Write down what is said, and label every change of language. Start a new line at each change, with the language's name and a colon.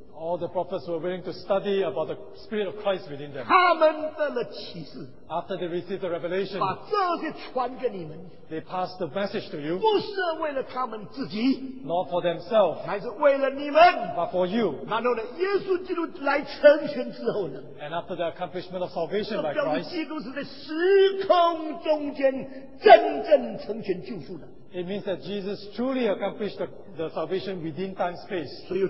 English: All the prophets were willing to study about the Spirit of Christ within them.
Chinese: 他们得了启示,
English: after they received the revelation,
Chinese: 把这些传给你们,
English: they passed the message to you,
Chinese: 不是为了他们自己,
English: not for themselves,
Chinese: 乃是为了你们,
English: but for you.
Chinese: 然后呢,耶稣基督来成全之后呢,
English: and after the accomplishment of salvation by Christ,
Chinese: 基督是在时空中间真正成全救赎的。
English: It means that Jesus truly accomplished the salvation within time space.